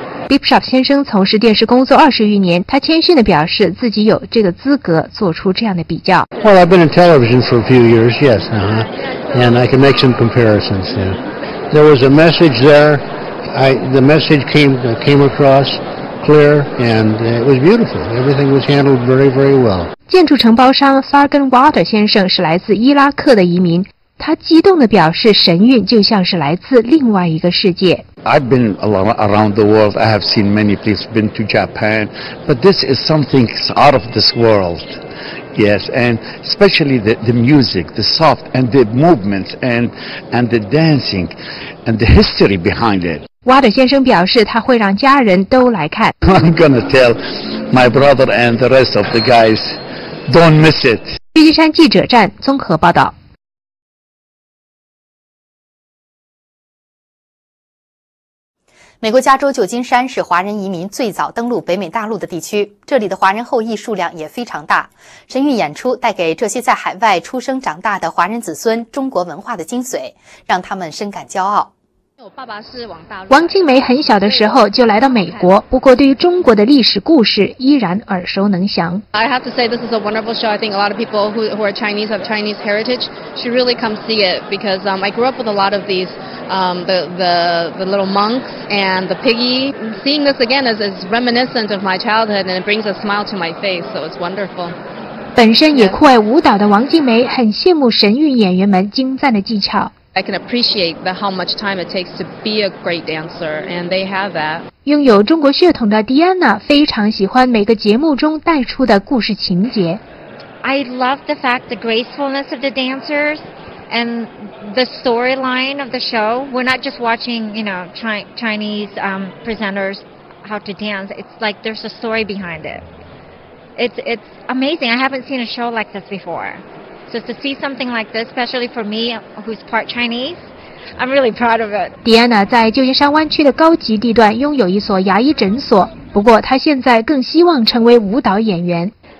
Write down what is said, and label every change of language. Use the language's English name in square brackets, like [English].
[Chinese] Bishop 先生从事电视工作20余年，他谦逊地表示自己有这个资格做出这样的比较。 [English] Well, I've been in television for a few years, yes, and I can make some comparisons. There was a message there. The message came across. clear and it was beautiful. Everything was handled very, very well. [Chinese] 建筑承包商 Fargan Water 先生是来自伊拉克的移民，他激动地表示，神韵就像是来自另外一个世界。 [English] I've been around the world. I have seen many places. Been to Japan, but this is something out of this world. Yes, and especially the music, the soft and the movements and the dancing and the history behind it. [Chinese] Water 先生表示，他会让家人都来看。 [English] I'm gonna tell my brother and the rest of the guys, don't miss it. [Chinese] 旧金山记者站综合报道。美国加州旧金山是华人移民最早登陆北美大陆的地区，这里的华人后裔数量也非常大。神韵演出带给这些在海外出生长大的华人子孙中国文化的精髓，让他们深感骄傲。我爸爸是往大陆。王静梅很小的时候就来到美国，不过对于中国的历史故事依然耳熟能详。 [English] I have to say this is a wonderful show. I think a lot of people who are Chinese have Chinese heritage should really come see it because I grew up with a lot of these the little monks and the piggy. Seeing this again is reminiscent of my childhood and it brings a smile to my face. So it's wonderful. [Chinese] 本身也酷爱舞蹈的王静梅很羡慕神韵演员们精湛的技巧。 [English] I can appreciate the how much time it takes to be a great dancer, and they have that. [Chinese] 拥有中国血统的 Diana 非常喜欢每个节目中带出的故事情节。 [English] I love the fact the gracefulness of the dancers and the storyline of the show. We're not just watching, you know, Chinese presenters how to dance. It's like there's a story behind it. It's amazing. I haven't seen a show like this before. So to see something like this, especially for me, who's part Chinese, I'm really proud of it. [Chinese] Diana 在旧金山湾区的高级地段拥有一所牙医诊所，不过她现在更希望成为舞蹈演员。